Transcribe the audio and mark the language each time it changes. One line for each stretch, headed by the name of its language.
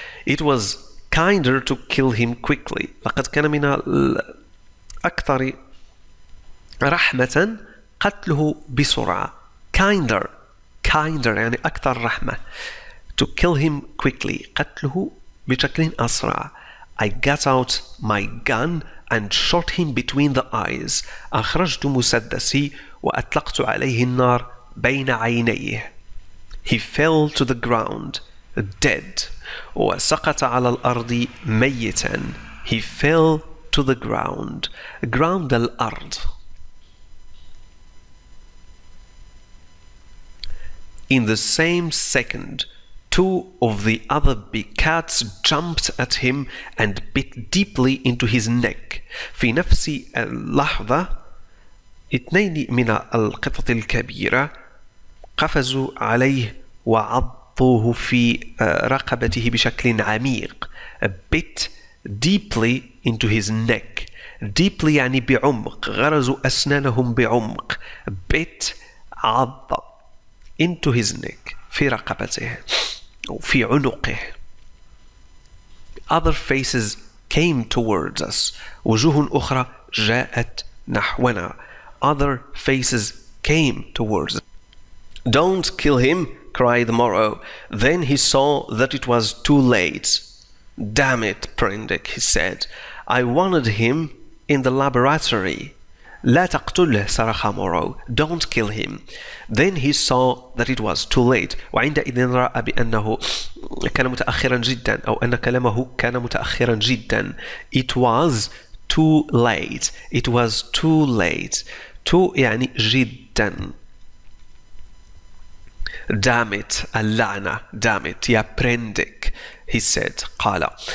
English: It was kinder to kill him quickly.
Arabic: لقد كان من الأكثر رحمة قتله بسرعة.
English: Kinder, kinder
Arabic: يعني أكثر رحمة.
English: To kill him quickly,
Arabic: قتله بشكل أسرع.
English: I got out my gun and shot him between the eyes.
Arabic: أخرجت مسدسي وأطلقت عليه النار بين عينيه.
English: He fell to the ground dead.
Arabic: وسقط على الأرض ميتا.
English: He fell to the ground. Ground الأرض. In the same second, two of the other big cats jumped at him and bit deeply into his neck.
Arabic: في نفس اللحظة اثنين من القطط الكبيرة قفزوا عليه وعضوه في رقبته بشكل عميق.
English: bit deeply into his neck.
Arabic: deeply يعني بعمق، غرزوا أسنانهم بعمق. bit عض
English: into his neck،
Arabic: في رقبته أو في عنقه.
English: other faces came towards us،
Arabic: وجوه أخرى جاءت نحونا.
English: other faces came towards us. don't kill him، cried Morrow. then he saw that it was too late. damn it Prendick، he said. I wanted him in the laboratory.
Arabic: لا تقتله، صرخ مورو.
English: don't kill him. then he saw that it was too late.
Arabic: وعندئذ رأى بأنه كان متأخرا جدا، أو أن كلامه كان متأخرا جدا.
English: it was too late. it was too late.
Arabic: too يعني جدا.
English: damn it، اللعنة. damn it يا برندك، he said، قال.